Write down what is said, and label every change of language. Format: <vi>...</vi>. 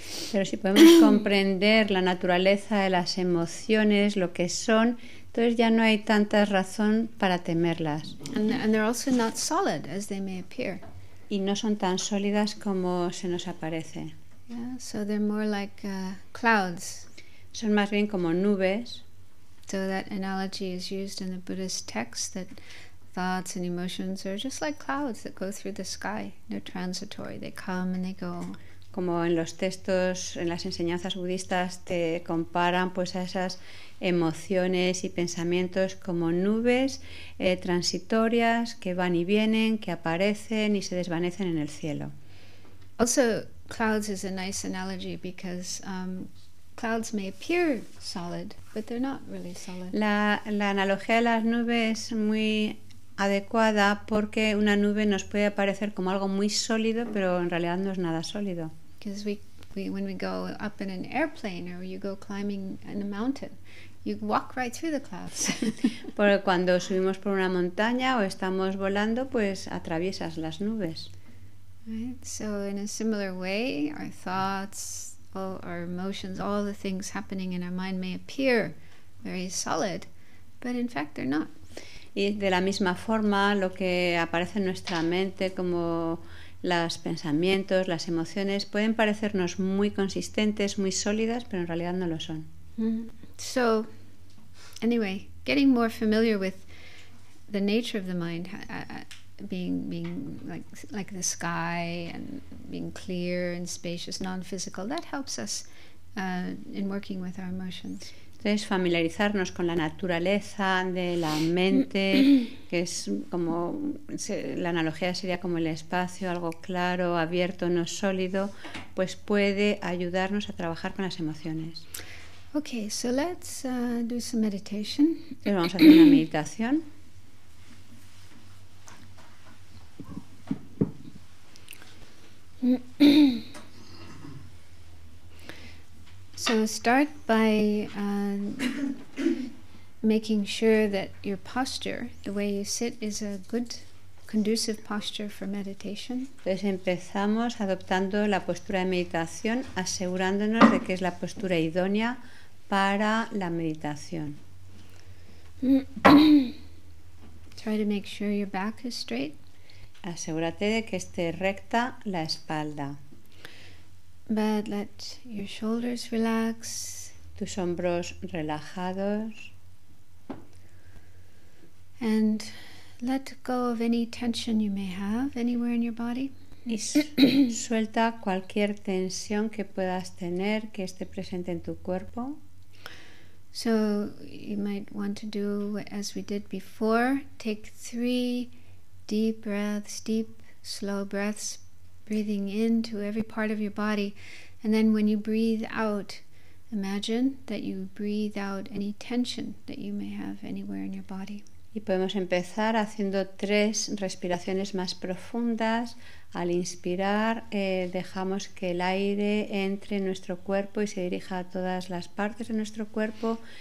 <es>Pero si podemos comprender la naturaleza de las emociones, lo que son, entonces ya no hay tanta razón para temerlas.</es> <en>And they're also not solid as they may appear.</en> <es>Y no son tan sólidas como se nos aparece.</es> <en>Yeah, so they're more like clouds.</en> <es>Son más bien como nubes.</es> <en>So that analogy is used in the Buddhist text that thoughts and emotions are just like clouds that go through the sky. They're transitory. They come and they go.</en> <es>Como en los textos, en las enseñanzas budistas, te comparan pues a esas emociones y pensamientos como nubes transitorias que van y vienen, que aparecen y se desvanecen en el cielo.</es> <en>Also, clouds is a nice analogy because clouds may appear solid, but they're not really solid.</en> <es>La analogía de las nubes es muy adecuada porque una nube nos puede parecer como algo muy sólido, pero en realidad no es nada sólido.</es> <en>Because we when we go up in an airplane or you go climbing in a mountain, you walk right through the clouds.</en> <es>Porque cuando subimos por una montaña o estamos volando, pues atraviesas las nubes.</es> <en>Right? So in a similar way, our thoughts, all our emotions, all the things happening in our mind may appear very solid, but in fact they're not.</en> <es>Y de la misma forma, lo que aparece en nuestra mente, como los pensamientos, las emociones, pueden parecernos muy consistentes, muy sólidas, pero en realidad no lo son.</es> <en>So, anyway, getting more familiar with the nature of the mind, being like the sky and being clear and spacious, non-physical, that helps us in working with our emotions.</en> <es>Entonces, familiarizarnos con la naturaleza de la mente, que es como, la analogía sería como el espacio, algo claro, abierto, no sólido, pues puede ayudarnos a trabajar con las emociones.</es> <en>Okay, so let's do some meditation.</en> <es>Entonces vamos a hacer una meditación.</es> <en>So start by making sure that your posture, the way you sit, is a good, conducive posture for meditation.</en> <es>Entonces empezamos adoptando la postura de meditación, asegurándonos de que es la postura idónea para la meditación.</es> <en>Try to make sure your back is straight.</en> <es>Asegúrate de que esté recta la espalda.</es> <en>But let your shoulders relax.</en> <es>Tus hombros relajados.</es> <en>And let go of any tension you may have anywhere in your body.</en> <es>Y suelta cualquier tensión que puedas tener que esté presente en tu cuerpo.</es> <en>So you might want to do as we did before. Take 3 deep breaths, deep, slow breaths. Breathing into every part of your body, and then when you breathe out, imagine that you breathe out any tension that you may have anywhere in your body.</en> <es>Y podemos empezar haciendo 3 respiraciones más profundas. Al inspirar, dejamos que el aire entre en nuestro cuerpo y se dirija a todas las partes de nuestro cuerpo.</es>